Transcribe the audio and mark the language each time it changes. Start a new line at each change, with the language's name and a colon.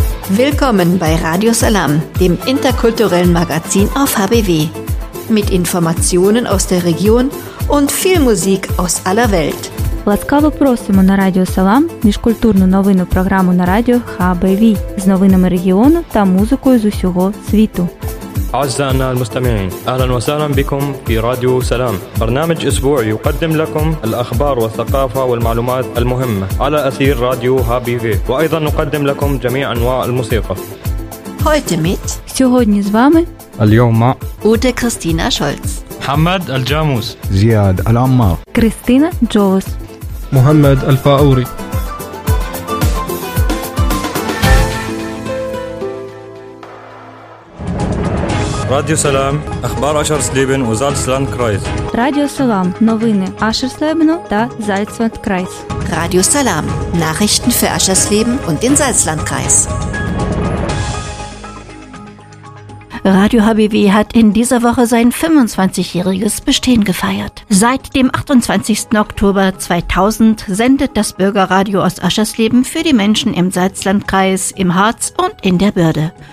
German: Willkommen bei Radio Salam, dem interkulturellen Magazin auf HBW. Mit Informationen aus der Region und viel Musik aus aller Welt.
Ukrainian: Ласкаво просимо на Радіо Салам міжкультурну новинну програму на радіо HBV з новинами регіону та музикою з усього світу.
Arabic: أعزائنا المستمعين أهلا وسهلا بكم في راديو سلام برنامج أسبوع يقدم لكم الأخبار والثقافة والمعلومات المهمة على أثير راديو HBV وأيضا نقدم لكم جميع أنواع الموسيقى
German: Heute mit
Ukrainian: Сьогодні з вами
Arabic: اليوم مع
German: Ute Christina Scholz
Arabic: محمد الجاموس زياد العمار كريستينا جوز محمد الفاوري
Ukrainian: Радіо Салам, Ахбар Ашерслібен у Зальцланд Крайс. Радіо Салам, новини Ашерслібену та Зальцланд Крайс.
German: Радіо Салам, Nachrichten für Ашерслібен und den Зальцланд Крайс. Radio HBW hat in dieser Woche sein 25-jähriges Bestehen gefeiert. Seit dem 28. Oktober 2000 sendet das Bürgerradio aus Ascherslieben für die Menschen im Salzlandkreis, im Harz und in der Börde.